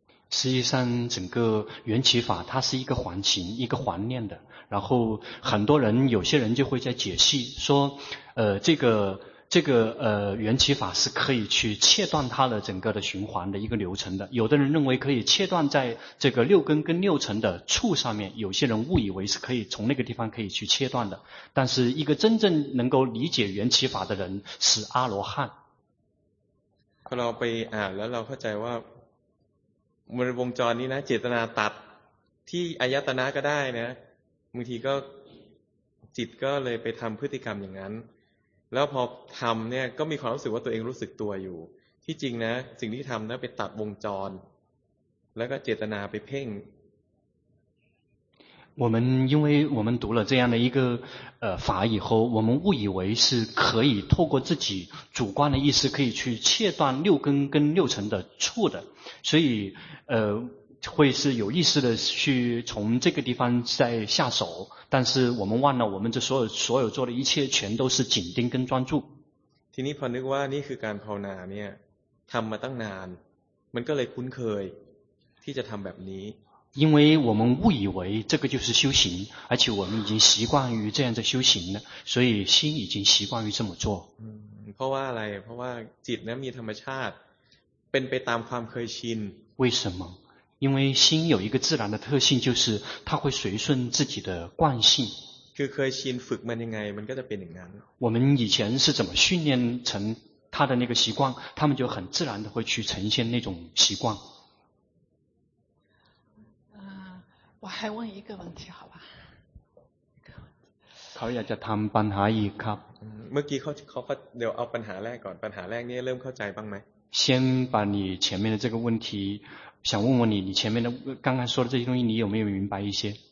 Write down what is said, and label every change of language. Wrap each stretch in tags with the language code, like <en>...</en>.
<zh>实际上整个缘起法它是一个环形一个环念的然后很多人有些人就会在解析说这个缘起法是可以去切断它的整个的循环的一个流程的有的人认为可以切断在这个六根跟六尘的处上面有些人误以为是可以从那个地方可以去切断的但是一个真正能够理解缘起法的人是阿罗汉</zh> <th>พอเราไปอ่านแล้วเราเข้าใจว่ามันวงจรนี้นะเจตนาตัดที่อายตนะก็ได้นะบางทีก็จิตก็เลยไปทำพฤติกรรมอย่างนั้นแล้วพอทำเนี่ยก็มีความรู้สึกว่าตัวเองรู้สึกตัวอยู่ที่จริงนะสิ่งที่ทำนั้นไปตัดวงจรแล้วก็เจตนาไปเพ่ง</th> <zh>我们因为我们读了这样的一个法以后我们误以为是可以透过自己主观的意识可以去切断六根跟六尘的触的所以会是有意识的去从这个地方再下手但是我们忘了我们这所有做的一切全都是紧盯跟专注</zh> <th>ทีนี้พอนึกว่านี่คือการภาวนาเนี่ยทำมาตั้งนานมันก็เลยคุ้นเคยที่จะทำแบบนี้</th> <zh>因为我们误以为这个就是修行而且我们已经习惯于这样的修行了所以心已经习惯于这么做</zh> <th>เพราะว่าอะไรเพราะว่าจิตนั้นมีธรรมชาติเป็นไปตามความเคยชิน</th> <zh>为什么因为心有一个自然的特性就是它会随顺自己的惯性</zh> <th>คือเคยชินฝึกมันยังไงมันก็จะเป็นอย่างนั้น</th> <zh>我们以前是怎么训练成他的那个习惯他们就很自然的会去呈现那种习惯我还问一个问题，好吧？他要</zh> <th>จะทำปัญหาอีกครับ เมื่อกี้เขาเดี๋ยวเอาปัญหาแรกก่อนปัญหาแรกนี่เริ่มเข้าใจบ้างไหม</th> <zh>先把你前面的这个问题想问问你你前面的刚刚说的这些东西你有没有明白一些</zh>